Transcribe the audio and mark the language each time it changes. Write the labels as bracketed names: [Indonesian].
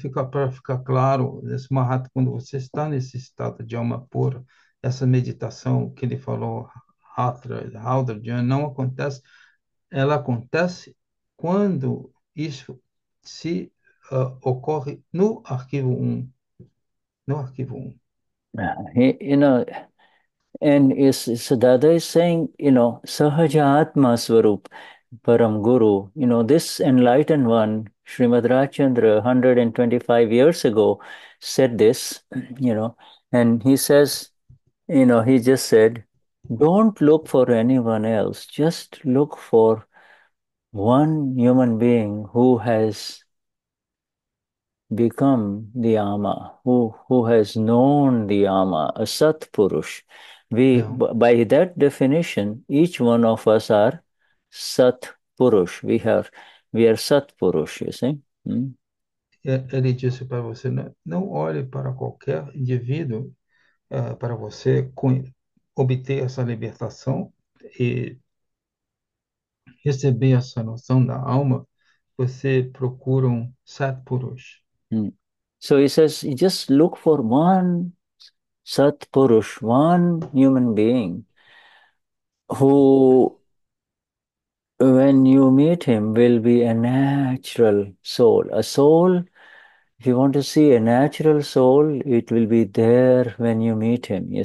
[Portuguese] Para ficar claro, esse Mahat, quando você está nesse estado de alma pura, essa meditação que ele falou, Haldra Dhyan, não acontece. Ela acontece quando isso se ocorre no arquivo 1. No arquivo 1. [English] You know, and Siddhartha is saying, you know, Sahaja Atma Swarup Param Guru, you know, this enlightened one, Srimad Rajchandra, 125 years ago, said this, you know, and he says, you know, he just said, don't look for anyone else, just look for one human being who has become the Ama, who has known the Ama, a Sat Purush. We, by that definition, each one of us are Sat Purush. We are Sat Purush, you see. [Portuguese] Ele disse para você, né? Não olhe para qualquer indivíduo para você obter essa libertação e receber essa noção da alma. Você procura um Satpurush. [English] So he says, you just look for one Satpurush, one human being who, when you meet him, will be a natural soul. A soul, if you want to see a natural soul, it will be there when you meet him.